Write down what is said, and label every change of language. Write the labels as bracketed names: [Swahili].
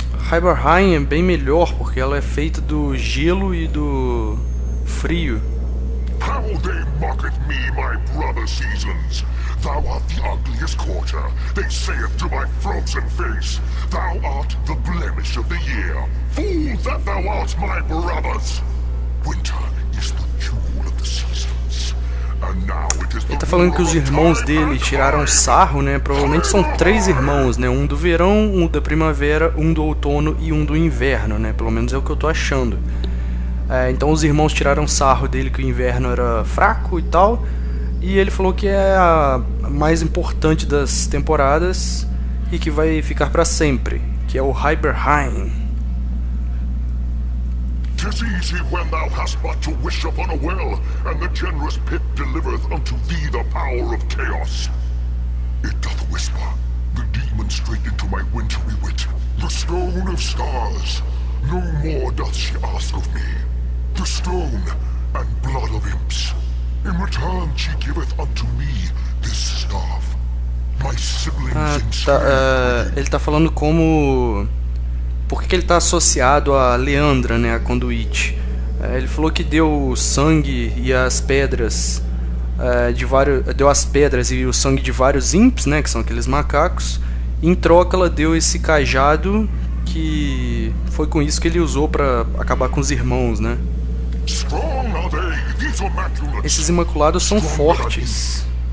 [Portuguese] Heimerheim é bem melhor, porque ela é feita do gelo e do frio. [English] How they mocked me, my brother Seasons! Thou art the ugliest quarter, they sayeth to my frozen face. Thou art the blemish of the year. Fool that thou art, my brothers! Winter is the jewel of the seasons. And now it is the... [Portuguese] Ele tá falando que os irmãos dele tiraram sarro, né? Provavelmente são três irmãos, né? Um do verão, um da primavera, um do outono e um do inverno, né? Pelo menos é o que eu tô achando. Então os irmãos tiraram sarro dele que o inverno era fraco e tal. E ele falou que é a mais importante das temporadas e que vai ficar pra sempre, que é o Heimerheim. [English] Tis easy when thou hast but to wish upon a will, and the generous pit delivereth unto thee the power of chaos. It doth whisper, the demon strayed into my wintry wit, the stone of stars. No more doth she ask of me. The stone and blood of imps. In return she giveth unto me this staff. My siblings in strength. [Portuguese] Ele tá falando como... por que ele está associado a Leandra, né, a Conduit? Ele falou que deu o sangue e as pedras de vários... deu as pedras e o sangue de vários imps, né, que são aqueles macacos. Em troca, ela deu esse cajado, que foi com isso que ele usou para acabar com os irmãos, né? [English] Strong are they, these immaculates. [Portuguese] Esses imaculados são fortes.